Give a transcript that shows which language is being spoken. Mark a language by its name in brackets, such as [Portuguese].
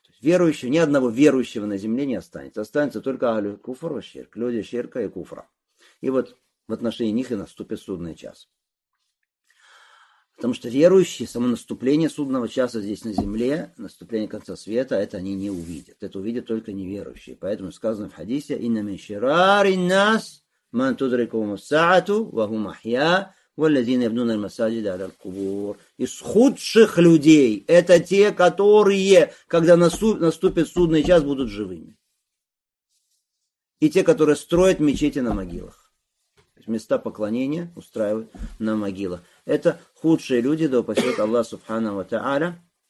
[Russian] То есть верующие, ни одного верующего на земле не останется. Останется только Ахлю Куфр ва Ширк, люди Ширка и Куфра. И вот в отношении них и наступит судный час. Потому что верующие, само наступление судного часа здесь на земле, наступление конца света, это они не увидят. Это увидят только неверующие. Поэтому сказано в хадисе [Arabic] «Инна мин ширари нас من تدركهم الساعة وهم أحياء والذين يبنون المساجد على القبور. [Russian] Из худших людей это те, которые, когда наступит судный час, будут живыми. И те, которые строят мечети на могилах. Места поклонения устраивают на могилах. Это худшие люди, да упасет Аллах Субхана ва Тааля.